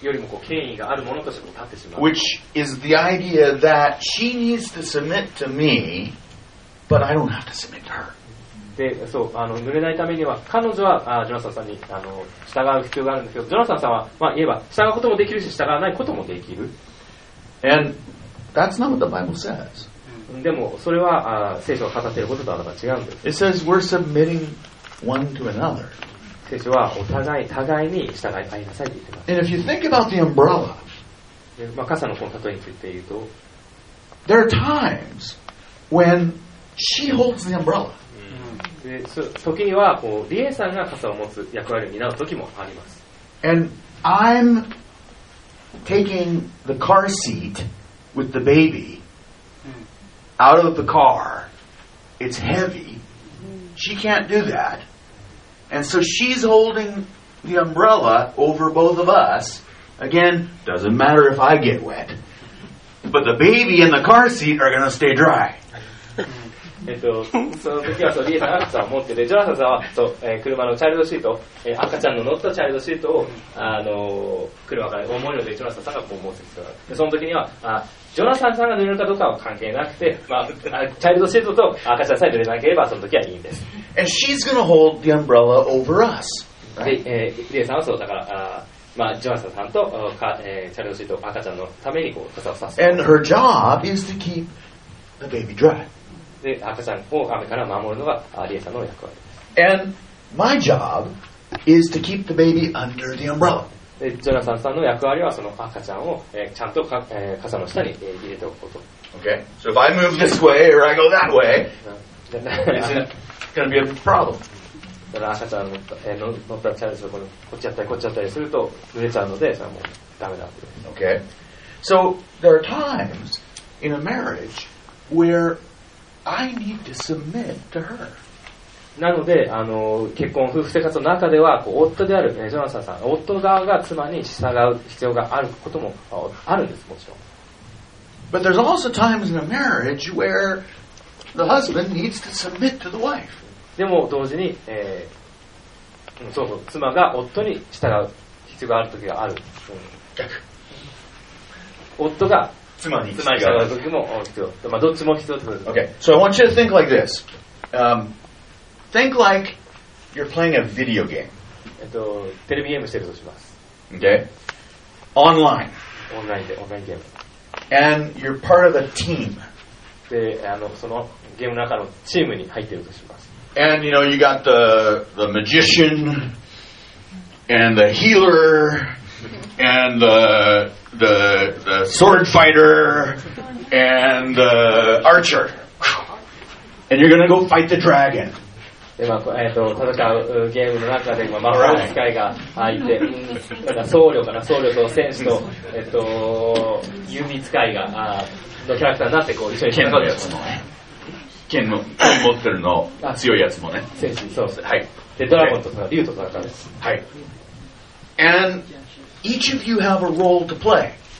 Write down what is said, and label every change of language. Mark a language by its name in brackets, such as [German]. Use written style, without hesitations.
[English] Which is the idea that she needs to submit to me, but I don't have to submit to her. [Japanese] でそう濡れないためには彼女はジョナサンさんに従う必要があるんですけどジョナサンさんは、まあ、言えば従うこともできるし従わないこともできる [English] And that's not what the Bible says. [Japanese] でもそれは聖書が語っていることとは違うんです [English] It says we're submitting one to another. [Japanese] 聖書はお互い互いに従い合いなさいと言っています [English] And if you think about the umbrella, [Japanese] で、まあ、傘のこの例えについて言うと [English] There are times when she holds the umbrella. [Japanese] で時にはこうリエさんが傘を持つ役割を担う時もあります。 [English] And I'm taking the car seat with the baby out of the car. It's heavy. She can't do that. And so she's holding the umbrella over both of us. Again, doesn't matter if I get wet. But the baby and the car seat are going to stay dry. [Japanese] その時はそうリエさんが傘を持っててジョナサンさんはそう、車のチャイルドシート、赤ちゃんの乗ったチャイルドシートを、車から重いのでジョナサンさんがこう持ってきたでその時にはジョナサンさんが濡れるかどうかは関係なくて、まあ、チャイルドシートと赤ちゃんさえ濡れなければその時はいいんです [English] And she's gonna hold the umbrella over us, right? [Japanese] で、リエさんはそうだからまあ、ジョナサンさんとか、チャイルドシート赤ちゃんのためにこう傘を差す [English] And her job is to keep the baby dry [Japanese] で赤ちゃんを雨から守るのがリエさんの役割です。 [English] And my job is to keep the baby under the umbrella. [Japanese] でジョナサンさんの役割はその赤ちゃんを、ちゃんと、傘の下に、入れておくこと。 [English] Okay. So if I move this way or I go that way, it's going to be a problem. [Japanese] だから赤ちゃんの、乗ったチャレンジをこっちやったりこっちやったりすると濡れちゃうのでそれはもうダメなんです。 [English] Okay. So there are times in a marriage where I need to submit to her. [Japanese] なので結婚夫婦生活の中ではこう夫である、ね、ジョナサンさん夫側が妻に従う必要があることもあるんですもちろん [English] But there's also times in a marriage where the husband needs to submit to the wife. [Japanese] でも同時に、そうそう妻が夫に従う必要がある時がある、うん、夫が妻に従う時も必要。まあ、どっちも必要です。 [English] Okay, so I want you to think like this. Think like you're playing a video game. [Japanese] テレビゲームしてるとします。 [English] Okay. Online. [Japanese] オンラインゲーム。 [English] And you're part of a team. [Japanese] で、そのゲームの中のチームに入ってるとします。 [English] And you know, you got the magician and the healer and the sword fighter and the archer and you're gonna go fight the dragon [Japanese] で、まあ戦うゲームの中で、まあ、魔法使いがいて、なんか僧侶かな、僧侶と戦士と、弓使いがのキャラクターになってこう一緒に戦うやつもね、剣の剣持ってるの強いやつもね、戦士、そうです、はい、でドラゴンと竜と戦うんです、はい、 [English] And each of you have a role to play。